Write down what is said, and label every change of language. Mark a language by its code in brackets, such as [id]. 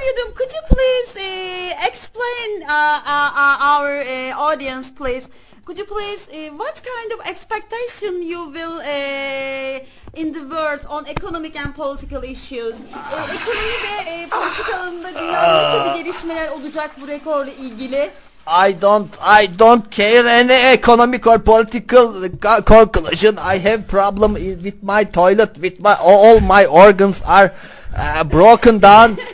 [en] Yudum, could you please explain our audience, please? Could you please, what kind of expectation you will in the world on economic and political issues? [tr] Ekonomi ve politikalarında dünyada nasıl gelişmeler olacak bu rekorla ilgili? [en] I don't care any economic or political conclusion. I have problem with my toilet, with my all my organs are broken down.